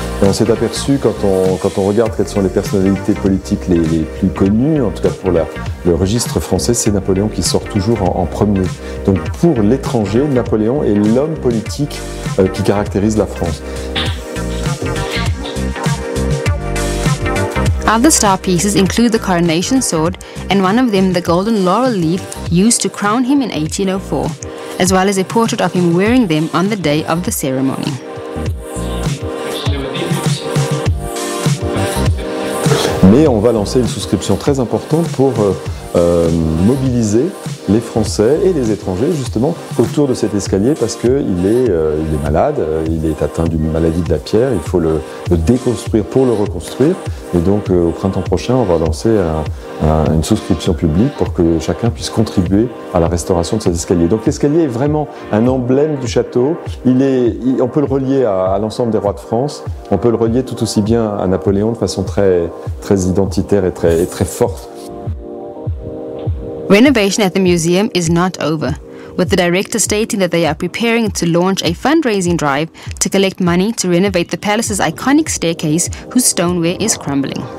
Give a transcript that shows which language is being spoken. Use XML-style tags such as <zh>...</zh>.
<fr>Et on s'est aperçu, quand on regarde quelles sont les personnalités politiques les plus connues, en tout cas pour le registre français, c'est Napoléon qui sort toujours en premier. Donc pour l'étranger, Napoléon est l'homme politique qui caractérise la France.</fr> <en>Other star pieces include the coronation sword and one of them the golden laurel leaf used to crown him in 1804, as well as a portrait of him wearing them on the day of the ceremony.</en> <fr>Mais on va lancer une souscription très importante pour mobiliser les Français et les étrangers justement autour de cet escalier parce qu'il est malade, il est atteint d'une maladie de la pierre, il faut le déconstruire pour le reconstruire. Et donc au printemps prochain, on va lancer une souscription publique pour que chacun puisse contribuer à la restauration de cet escalier. Donc l'escalier est vraiment un emblème du château. On peut le relier à l'ensemble des rois de France, on peut le relier tout aussi bien à Napoléon de façon très, très identitaire et très forte.</fr> <en>Renovation at the museum is not over, with the director stating that they are preparing to launch a fundraising drive to collect money to renovate the palace's iconic staircase, whose stoneware is crumbling.</en>